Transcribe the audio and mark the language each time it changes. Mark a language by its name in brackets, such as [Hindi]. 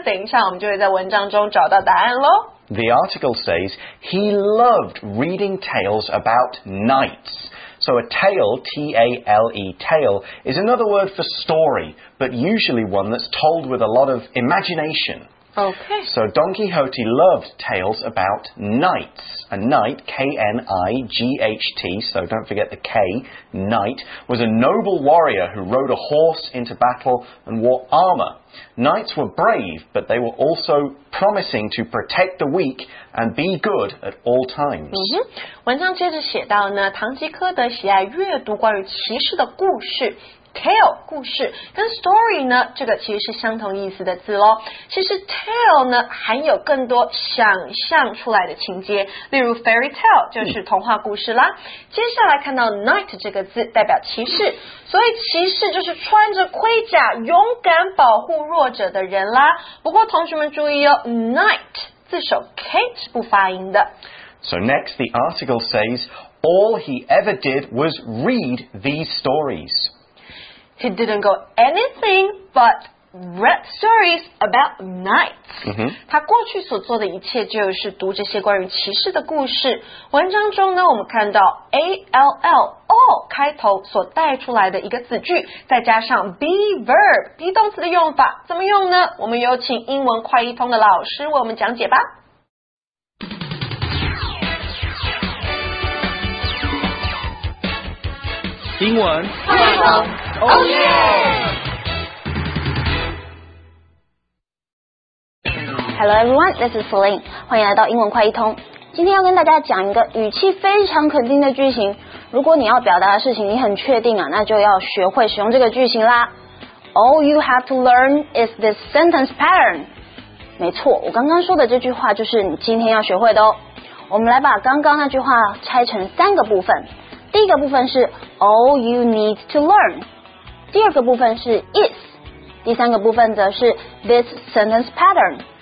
[Chinese] 等一下我们就会在文章中找到答案咯。 [English] The article says, he loved reading tales about knights. So a tale, T-A-L-E, tale, is another word for story, but usually one that's told with a lot of imagination. Okay. So Don Quixote loved tales about knights. A knight, K-N-I-G-H-T, so don't forget the K, knight, was a noble warrior who rode a horse into battle and wore armor. Knights were brave, but they were also promising to protect the weak and be good at all times. [Chinese] 文章接着写到呢，唐吉诃德喜爱阅读关于骑士的故事。 Tale 故事跟 story 呢，这个其实是相同意思的字咯。其实 tale 呢，含有更多想象出来的情节，例如 fairy tale 就是童话故事啦。接下来看到 knight 这个字代表骑士，所以骑士就是穿着盔甲勇敢保护弱者的人啦。不过同学们注意哦， knight 字首 k 是不发音的。 [English] So next, the article says all he ever did was read these stories. He didn't go anything but read stories about knights.、 Mm-hmm. [Chinese] 他过去所做的一切就是读这些关于骑士的故事。文章中呢，我们看到 A-L-L, all 开头所带出来的一个子句，再加上 be verb, be 动词的用法，怎么用呢？我们有请英文快译通的老师为我们讲解吧。英文快译通。 [English] Oh yeah! Hello everyone, this is Celine. [Chinese] 欢迎来到英文快译通。今天要跟大家讲一个语气非常肯定的句型。如果你要表达的事情你很确定啊，那就要学会使用这个句型啦。 [English] All you have to learn is this sentence pattern. [Chinese] 没错，我刚刚说的这句话就是你今天要学会的哦。我们来把刚刚那句话拆成三个部分。第一个部分是 [English] All you need to learn. [Chinese] 第二个部分是 is， 第三个部分则是 [English] this sentence pattern。